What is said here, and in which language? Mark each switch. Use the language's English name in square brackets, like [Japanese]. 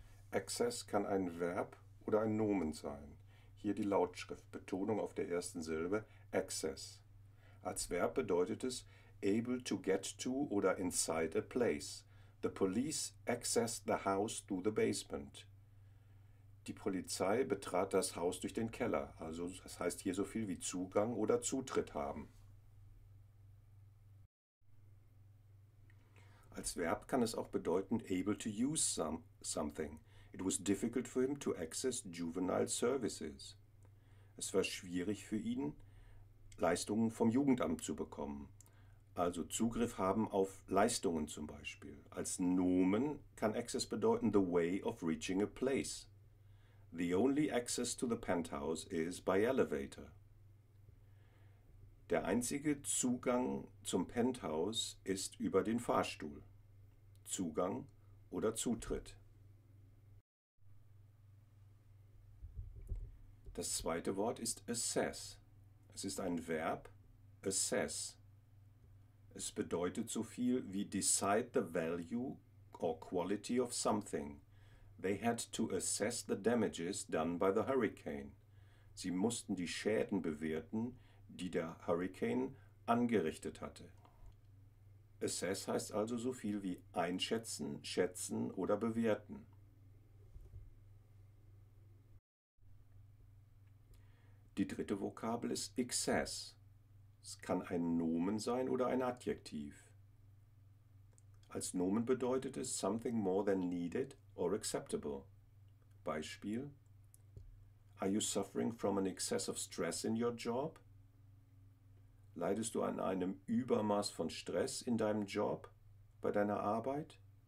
[German] Access kann ein Verb oder ein Nomen sein. Hier die Lautschrift, Betonung auf der ersten Silbe, access. Als Verb bedeutet es, [English] able to get to [German] oder [English] inside a place. The police accessed the house through the basement. [German] Die Polizei betrat das Haus durch den Keller, also das heißt hier so viel wie Zugang oder Zutritt haben. Als Verb kann es auch bedeuten, [English] able to use something. It was difficult for him to access juvenile services. [German] Es war schwierig für ihn, Leistungen vom Jugendamt zu bekommen. Also Zugriff haben auf Leistungen zum Beispiel. Als Nomen kann Access bedeuten [English] the way of reaching a place. The only access to the penthouse is by elevator. [German] Der einzige Zugang zum Penthouse ist über den Fahrstuhl. Zugang oder Zutritt. Das zweite Wort ist assess. Es ist ein Verb, assess. Es bedeutet so viel wie [English] decide the value or quality of something. They had to assess the damages done by the hurricane. [German] Sie mussten die Schäden bewerten, die der Hurricane angerichtet hatte. Assess heißt also so viel wie einschätzen, schätzen oder bewerten. Die dritte Vokabel ist excess. Es kann ein Nomen sein oder ein Adjektiv. Als Nomen bedeutet es [English] something more than needed or acceptable. Beispiel: Are you suffering from an excess of stress in your job? [German] Leidest du an einem Übermaß von Stress in deinem Job, bei deiner Arbeit?